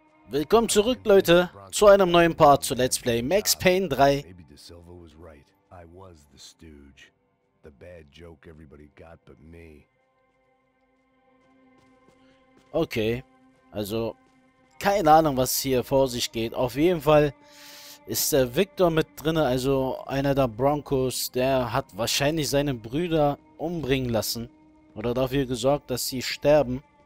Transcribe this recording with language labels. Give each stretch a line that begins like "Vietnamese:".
German: Willkommen zurück, Leute, zu einem neuen Part zu Let's Play Max Payne 3.
English: Maybe De Silva was right. I was the stooge. The bad joke everybody got but me.
German: Okay, also keine Ahnung, was hier vor sich geht. Auf jeden Fall ist der Victor mit drin, also einer der Broncos. Der hat wahrscheinlich seine Brüder umbringen lassen oder dafür gesorgt, dass sie sterben.